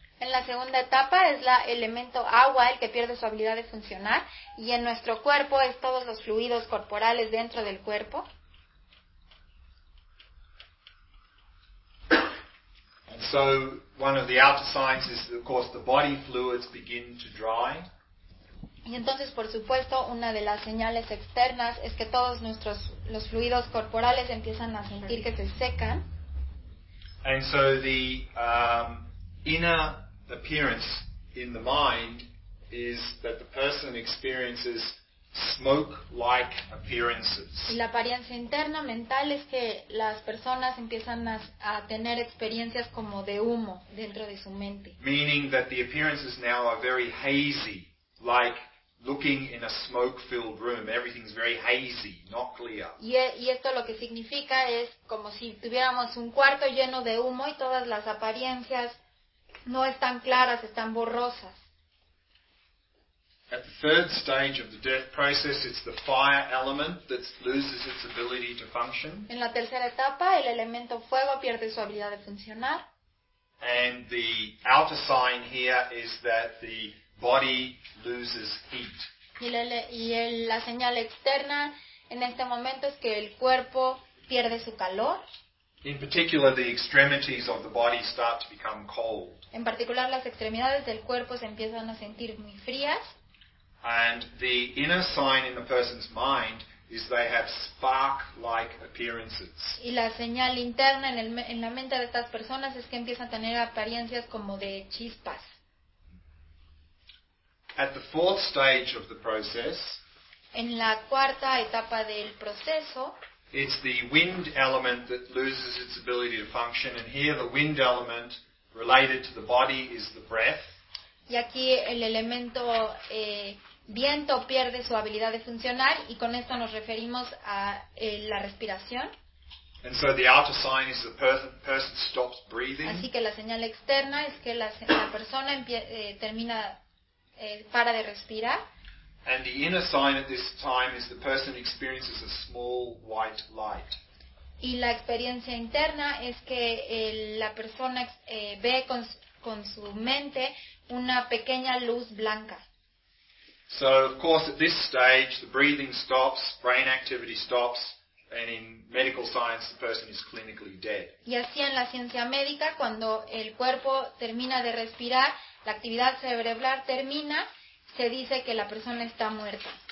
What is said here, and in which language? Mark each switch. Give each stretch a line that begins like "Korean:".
Spanish: En la segunda etapa es el elemento agua el que pierde su habilidad de funcionar, y en nuestro cuerpo es todos los fluidos corporales dentro del cuerpo.
English: So one of the outer signs is, of course, the body fluids begin to dry.
Spanish: Y entonces, por supuesto, una de las señales externas es que todos nuestros los fluidos corporales empiezan a sentir que se secan.
English: And so the inner appearance in the mind is that the person experiences smoke-like appearances.
Spanish: Y la apariencia interna mental es que las personas empiezan a tener experiencias como de humo dentro de su mente.
English: Meaning that the appearances now are very hazy, like looking in a smoke-filled room, everything's very hazy, not clear.
Spanish: Y esto lo que significa es como si tuviéramos un cuarto lleno de humo y todas las apariencias no están claras, están borrosas.
English: At the third stage of the death process, it's the fire element that loses its ability to function.
Spanish: En la tercera etapa, el elemento fuego pierde su habilidad de funcionar.
English: And the outer sign here is that the body loses heat.
Spanish: Y la señal externa en este momento es que el cuerpo pierde su calor.
English: In particular, the extremities of the body start to become cold.
Spanish: En particular, las extremidades del cuerpo se empiezan a sentir muy frías.
English: And the inner sign in the person's mind is they have spark-like appearances.
Spanish: Y la señal interna en la mente de estas personas es que empiezan a tener apariencias como de chispas.
English: At the fourth stage of the process,
Spanish: en la cuarta etapa del proceso,
English: it's the wind element that loses its ability to function, and here the wind element related to the body is the breath.
Spanish: Y aquí el elemento viento pierde su habilidad de funcionar, y con esto nos referimos a la respiración.
English: And so the outer sign is the person stops breathing.
Spanish: Así que la señal externa es que la persona termina para de respirar.
English: And the inner sign at this time is the person experiences a small white light.
Spanish: Y la experiencia interna es que la persona ve con su mente una pequeña luz blanca.
English: So of course at this stage the breathing stops, brain activity stops, and in medical science the person is clinically dead.
Spanish: Y así en la ciencia médica, cuando el cuerpo termina de respirar, la actividad cerebral termina, se dice que la persona está muerta.